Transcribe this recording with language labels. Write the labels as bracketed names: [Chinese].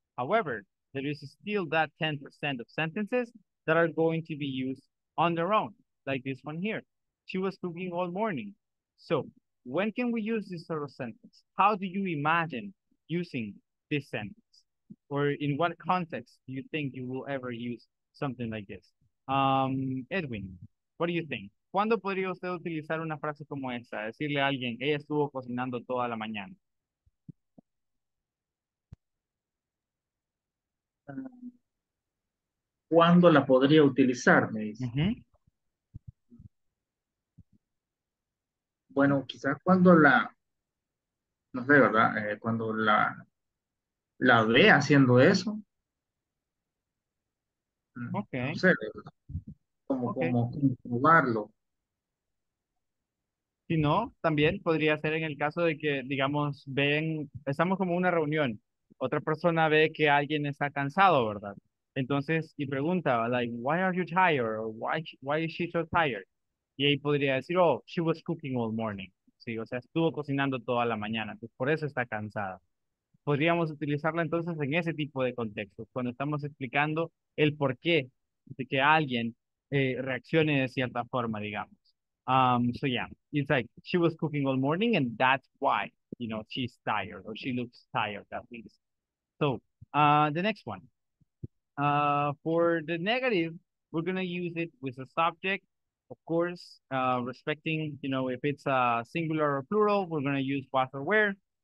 [English] However, there is still that 10% of sentences that are going to be used on their own, like this one here. She was cooking all morning. So when can we use this sort of sentence? How do you imagine using this sentence? Or in what context do you think you will ever use something like this? Edwin, what do you think? [Spanish] ¿Cuándo podría usted utilizar una frase como esa? Decirle a alguien, ella estuvo cocinando toda la mañana. ¿Cuándo la podría utilizar, me dice? Bueno, quizás cuando la, no sé, ¿verdad? Cuando la ve haciendo eso. Okay. No sé, como, okay. Como comprobarlo. Si no, también podría ser en el caso de que, digamos, ven, estamos como en una reunión. Otra persona ve que alguien está cansado, ¿verdad? Entonces, y pregunta, [English] like, why are you tired? Or why is she so tired? [Spanish] Y ahí podría decir, [English] oh, she was cooking all morning. [Spanish] Sí, o sea, estuvo cocinando toda la mañana. Pues por eso está cansada. Podríamos utilizarla entonces en ese tipo de contexto, cuando estamos explicando el porqué de que alguien reaccione de cierta forma, digamos. [English] So, yeah, it's like, she was cooking all morning and that's why, you know, she's tired or she looks tired at least. So, the next one. For the negative, we're going to use it with a subject. Of course, respecting, you know, if it's a singular or plural, we're going to use was or where.